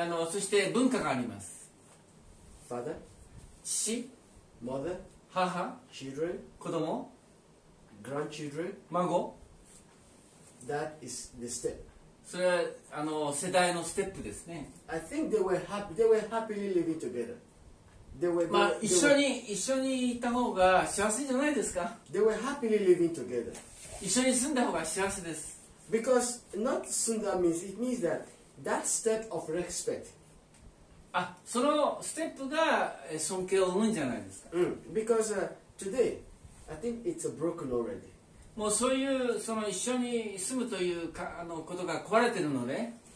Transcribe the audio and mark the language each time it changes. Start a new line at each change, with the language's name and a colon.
Japanese: そして文化があります。
English: Father.
Japanese: 父。
English: Mother.
Japanese: 母。
English: Children.
Japanese: 子供。
English: Grandchildren.
Japanese: 孫。
English: That is the step.
Japanese: それは世代のステップですね。
English: I think they were happily living together. They were
Japanese: 一緒にいた方が幸せじゃないですか。
English: They were happily living together.
Japanese: 一緒に住んだ方が幸せです。
English: Because not sunda means it means that step of respect.
Japanese: あ、そのステップが尊敬を生むんじゃないですか。
English: Because today, I think it's broken already.
Japanese: もうそういうその一緒に住むというかことが壊れてるので、